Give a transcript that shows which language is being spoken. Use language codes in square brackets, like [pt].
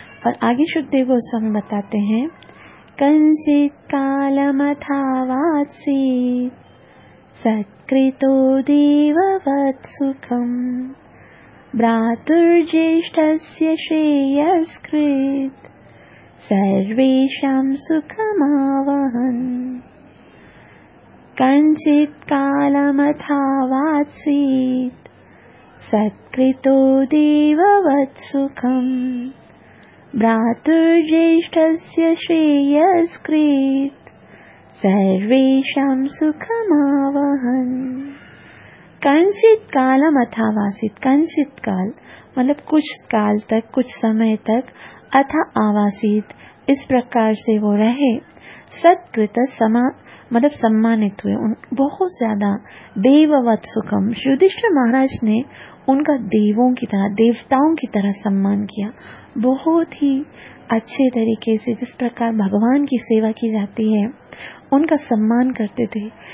[hi] और आगे सुखदेव गोस्वामी बताते हैं, [sa] कंचित काल मथावासी सत्कृतो देववत् सुखम् भ्रातुर्ज्येष्ठस्य श्रेयस्कृत् सर्वेषां सुखमावहन्। कञ्चित् कालमथावात्सीत् सत्कृतो देववत् सुखम् भ्रातुर्ज्येष्ठस्य श्रेयस्कृत् सर्वेषां सुखमावहन्। [hi] कंचित कालम अथावासित, कंचित काल मतलब कुछ काल तक, कुछ समय तक, अथा आवासित इस प्रकार से वो रहे, सत्कृत मतलब सम्मानित हुए, बहुत ज्यादा देववत सुखम, युधिष्ठिर महाराज ने उनका देवों की तरह, देवताओं की तरह सम्मान किया, बहुत ही अच्छे तरीके से जिस प्रकार भगवान की सेवा की जाती है उनका सम्मान करते थे।